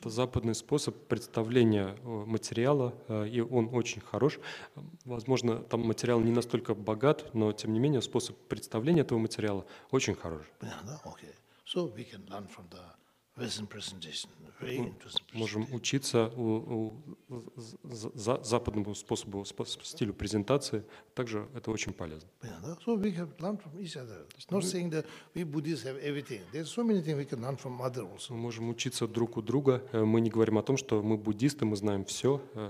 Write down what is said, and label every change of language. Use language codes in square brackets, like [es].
[ru] Это западный способ представления материала, и он очень хорош. Возможно, там материал не настолько богат, но тем не менее способ представления этого материала очень хорош. Okay. [en] So we can learn from the Western presentation. Very interesting presentation. [ru] Можем учиться у западному способу, стилю презентации. Также это очень полезно. [en] So we have learned from each other. It's not saying that we Buddhists have everything. There's so many things we can learn from others also. [ru] Мы можем учиться друг у друга. Мы не говорим о том, что мы буддисты, мы знаем все.